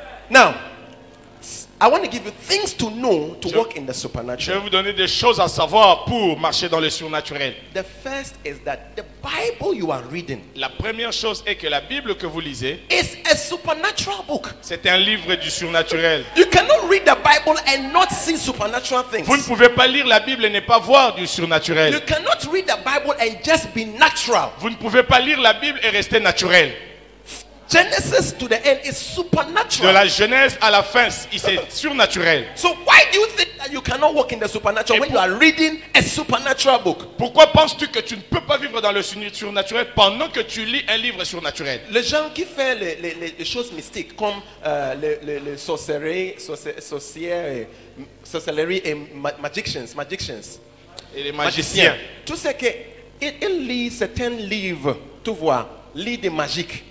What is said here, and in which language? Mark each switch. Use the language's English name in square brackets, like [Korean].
[English] Now, I want to give you things to know to work in the supernatural. [French] Je vais vous donner des choses à savoir pour marcher dans le surnaturel. [English] The first is that the Bible you are reading. [French] La première chose est que la Bible que vous lisez [English] is a supernatural book. [French] C'est un livre du surnaturel. [English] You cannot read the Bible and not see supernatural things. [French] Vous ne pouvez pas lire la Bible et ne pas voir du surnaturel. [English] You cannot read the Bible and just be natural. [French] Vous ne pouvez pas lire la Bible et rester naturel. [English] Genesis to the end is supernatural. [French] De la Genèse à la fin, c'est surnaturel. [English] So why do you think that you cannot walk in the supernatural when you are reading a supernatural book? [French] Pourquoi penses-tu que tu ne peux pas vivre dans le surnaturel pendant que tu lis un livre surnaturel? Les gens qui font les choses mystiques comme les sorcières et magicians. Et les magiciens. Tu sais que ils lisent certains livres, tu vois, livres de magie.